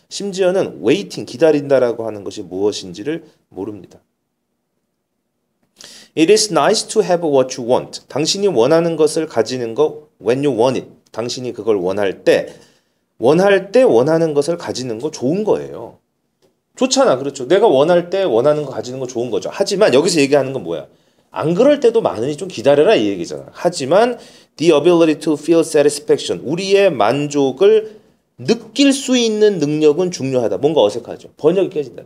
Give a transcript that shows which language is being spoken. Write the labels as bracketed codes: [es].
[ko] 심지어는 waiting, 기다린다라고 하는 것이 무엇인지를 모릅니다. [en] It is nice to have what you want. [ko] 당신이 원하는 것을 가지는 거, [en] when you want it. [ko] 당신이 그걸 원할 때 원하는 것을 가지는 거 좋은 거예요. 좋잖아, 그렇죠? 내가 원할 때 원하는 거 가지는 거 좋은 거죠. 하지만 여기서 얘기하는 건 뭐야? 안 그럴 때도 많으니 좀 기다려라 이 얘기잖아. 하지만 [en] the ability to feel satisfaction, [ko] 우리의 만족을 느낄 수 있는 능력은 중요하다. 뭔가 어색하죠? 번역이 깨진다.